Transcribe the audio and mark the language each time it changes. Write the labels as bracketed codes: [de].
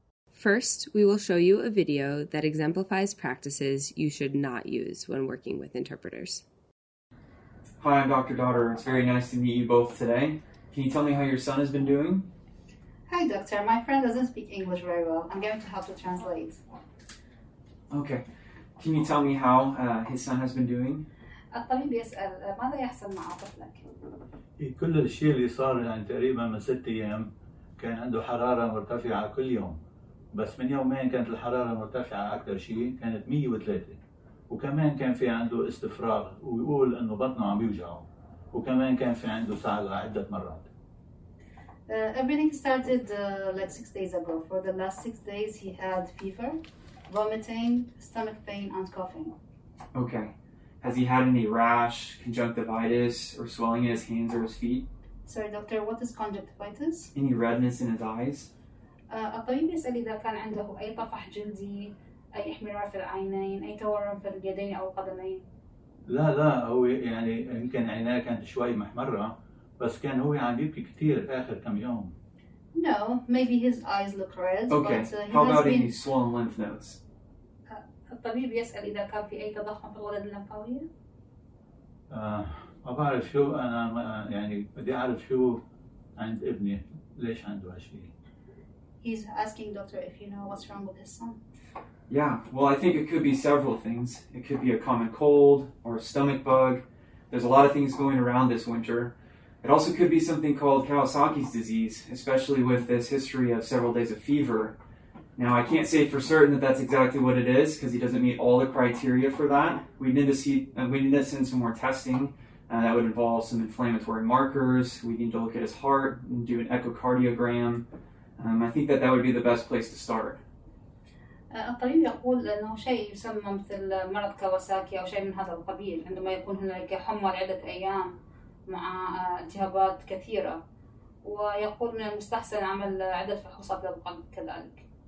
[en] First, we will show you a video that exemplifies practices you should not use when working with interpreters. Hi, I'm Dr. Dotter. It's very nice to meet you both today. Can you tell me how your son has been doing? Hi, doctor. My friend doesn't speak English very well. I'm going to help to translate. Okay. Can you tell me how his son has been doing? [ar] الطبيب يسأل ماذا يحصل مع طفلك؟ كل الشيء اللي صار يعني تقريبا من 6 أيام كان عنده حرارة مرتفعة كل يوم. بس من يومين كانت الحرارة مرتفعة أكثر شيء كانت 103 وكمان كان في عنده استفراغ ويقول إنه بطنه عم بيوجعه وكمان كان في عنده صعقة عدة مرات. [en] Everything started like 6 days ago. For the last 6 days, he had fever, vomiting, stomach pain, and coughing. Okay. Has he had any rash, conjunctivitis, or swelling in his hands or his feet? Sorry, doctor, what is conjunctivitis? Any redness in his eyes? [ar] الطبيب يسأل إذا كان عنده أي طفح جلدي, أي إحمرار في العينين, أي تورم في اليدين أو القدمين. لا لا, هو يعني يمكن عيناه كانت شوي محمرة. بس كان هو عم يبكي كثير اخر كم يوم. [en] No, maybe his eyes look red. Okay. But, how about any swollen lymph nodes? [ar] الطبيب يسأل إذا كان في أي تضخم في الغدد اللمفاوية. ما بعرف شو أنا يعني بدي أعرف شو عند ابني ليش عنده هالشيء. [en] He's asking doctor if you know what's wrong with his son. Yeah, well I think it could be several things. It could be a common cold or a stomach bug. There's a lot of things going around this winter. It also could be something called Kawasaki's disease, especially with this history of several days of fever. Now, I can't say for certain that that's exactly what it is, because he doesn't meet all the criteria for that. We need to send some more testing that would involve some inflammatory markers. We need to look at his heart and do an echocardiogram. I think that would be the best place to start. [ar] الطبيب يقول انه شيء يسمى مثل مرض كاواساكي او شيء من هذا القبيل عندما يكون هناك حمى لعدة ايام مع التهابات كثيرة ويقول من المستحسن عمل عدة فحوصات للقلب كذلك.